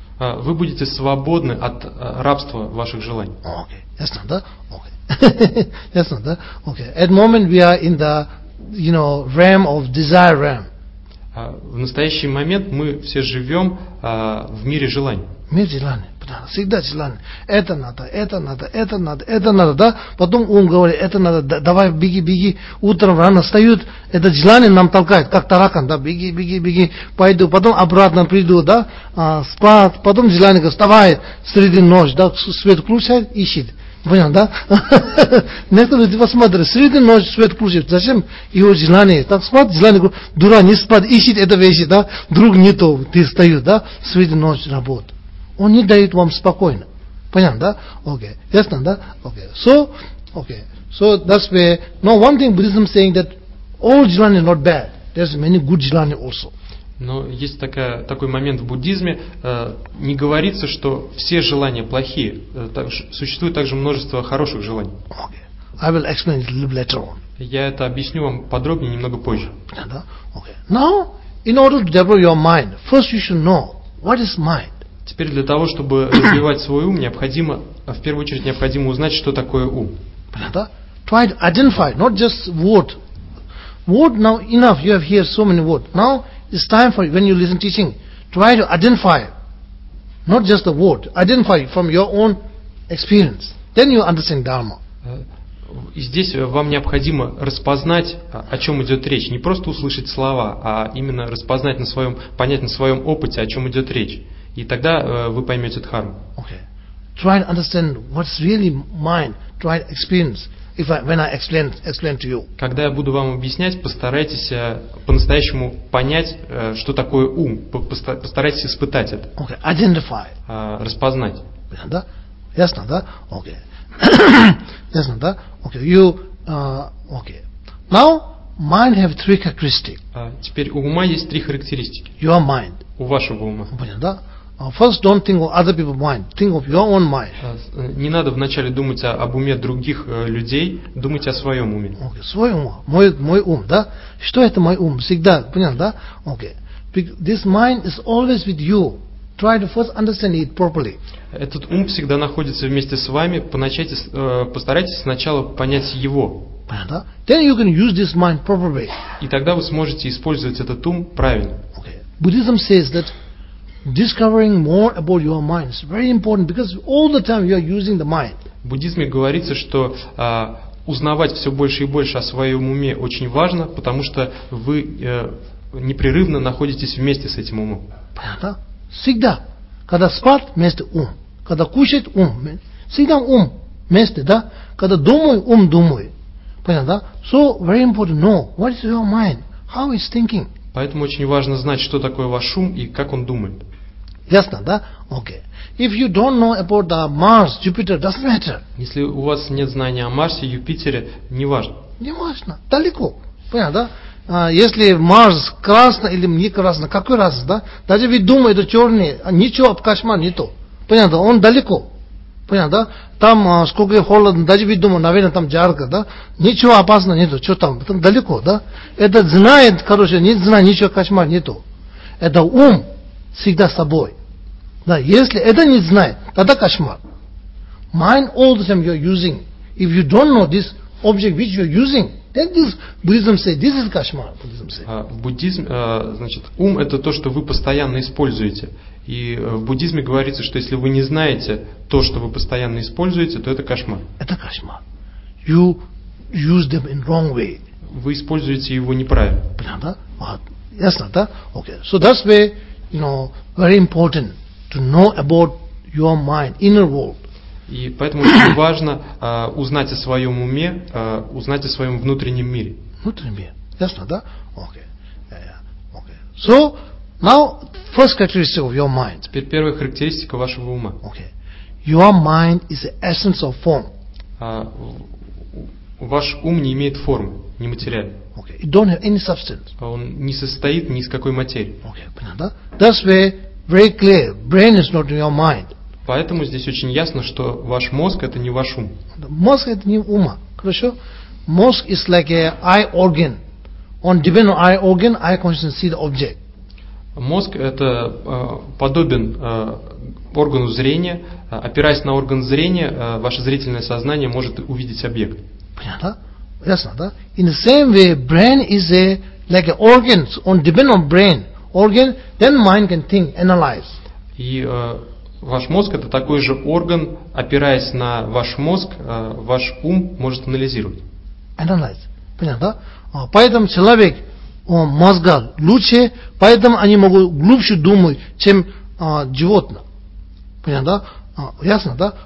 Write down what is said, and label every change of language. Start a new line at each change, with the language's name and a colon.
Russian: Вы будете свободны от рабства ваших желаний. Окей. Ясно, да? Окей. Ясно, да? Окей.
English: At moment we are in the, you know, realm of desire realm.
Russian: В настоящий момент мы все живем в мире желаний. Мир желаний. Всегда желание. Это надо, это надо, это надо, это надо, да? Потом ум говорит, это надо, давай беги, беги. Утром рано встают, это желание нам толкает, как таракан, да? Беги, беги, беги, пойду. Потом обратно приду, да? Склад. Потом желание говорит, вставай, среди ночи, да? Свет включает, ищет. Понял, да? Некоторые люди посмотрят, среди ночи свет включает. Зачем его желание? Так спать, желание говорит, дура, не спать, ищет это вещи, да? Друг не то, ты встаешь, да? Среди ночи работа. Он не дает вам спокойно. Понятно, да? Окей. Okay. Ясно, да? Окей. Okay. So, okay.
English: So, that's where, no, one thing Buddhism saying that all jhelani is not bad. There's many good jhelani also.
Russian: Но есть такой момент в буддизме, не говорится, что все желания плохие. Существует также множество хороших желаний.
English: Okay. I will explain it a little later on.
Russian: Я это объясню вам подробнее немного позже. Понятно, да? Окей. Okay.
English: Now, in order to develop your mind, first you should know, what is mind?
Russian: Теперь для того, чтобы развивать свой ум, необходимо, в первую очередь, необходимо узнать, что такое ум.
English: Понятно? Try to identify, not just word. Word now enough, you have heard so many words. Now it's time for, when you listen teaching, try to identify, not just the word, identify from your own experience. Then you understand Dharma.
Russian: И здесь вам необходимо распознать, о чем идет речь. Не просто услышать слова, а именно распознать на своем, понять на своем опыте, о чем идет речь. И тогда вы поймете дхарму.
English: Okay. trying to understand what's really mine, trying to experience. When I explain to you.
Russian: Когда я буду вам объяснять, постарайтесь по-настоящему понять, что такое ум. Постарайтесь испытать это.
English: Okay. Identify.
Russian: Распознать. Yeah, да? Ясно, да? Okay. Ясно, да? Okay. You. Okay.
English: Now mind have three characteristics.
Russian: Теперь у ума есть три характеристики.
English: Your mind.
Russian: У вашего ума.
English: Понятно, да? First, don't think of other people's mind. Think of your own mind.
Russian: Не надо вначале думать об уме других людей, думать о своем уме. Okay, свой ум, мой ум, да? Что это мой ум? Всегда, понятно, да? Okay.
English: This mind is always with you. Try to first understand it properly.
Russian: Этот ум всегда находится вместе с вами. Постарайтесь сначала понять его.
English: Понятно? Да? Then you can use this mind properly.
Russian: И тогда вы сможете использовать этот ум правильно.
English: Okay. Buddhism says that discovering more about your mind is very important because all the time you are using the mind.
Russian: В буддизме говорится, что узнавать все больше и больше о своем уме очень важно, потому что вы непрерывно находитесь вместе с этим умом. Понятно? Всегда. Когда спать, вместе ум. Когда кушать, ум. Всегда ум вместе, да? Когда думаю, ум думаю. Понятно, да?
English: So very important to know what is your mind, how it's thinking.
Russian: Поэтому очень важно знать, что такое ваш ум и как он думает. Ясно, да? Okay.
English: If you don't know about the Mars, Jupiter, doesn't matter.
Russian: Если у вас нет знания о Марсе, Юпитере, не важно. Не важно. Далеко. Понятно, да? Если Марс красный или не красный, какой раз, да? Даже ведь думаю, это черный, ничего, кошмар, не то. Понятно, да? Он далеко. Понятно, да? Там сколько холодно, даже ведь думаю, наверное, там жарко, да? Ничего опасного нету, что там? Там далеко, да? Это знает, короче, не знает, ничего кошмар нету. Это ум всегда с собой. Да, если это не знает, тогда кошмар.
English: Mind all the time you're using. If you don't know this object which you're using, then this Buddhism say this is кошмар. Buddhism say.
Russian: Значит, ум это то, что вы постоянно используете. И в буддизме говорится, что если вы не знаете то, что вы постоянно используете, то это кошмар. Это кошмар.
English: You use them in wrong way.
Russian: Вы используете его неправильно. Понятно, да? Ясно, да? Okay.
English: So that's why, you know, very important to know about your mind, inner world.
Russian: И поэтому очень важно узнать о своем уме, узнать о своем внутреннем мире. Внутренний мир. Ясно, да? Okay. Yeah. Okay.
English: So now first characteristic of your mind.
Russian: Теперь первая характеристика вашего ума.
English: Okay. Your mind is the essence of form.
Russian: Ваш ум не имеет формы, не материальный.
English: Okay. It don't have any substance.
Russian: Он не состоит ни из какой материи.
English: Okay. Понятно? That's why very clear. Brain is not your mind.
Russian: Поэтому здесь очень ясно, что ваш мозг это не ваш ум. Мозг это не ум. Хорошо? Мозг
English: is like a eye organ. On depend on eye organ, eye consciousness see the object.
Russian: Мозг это подобен органу зрения. Опираясь на орган зрения, ваше зрительное сознание может увидеть объект. Понятно? Ясно, да?
English: In the same way, brain is a like an organ. On depend on brain, organ, then mind can think, analyze.
Russian: И ваш мозг это такой же орган. Опираясь на ваш мозг, ваш ум может анализировать.
English: Analyze.
Russian: Понятно, да? Поэтому человек мозга лучше, поэтому они могут глубже думать, чем животное. Понятно, да? Ясно, да?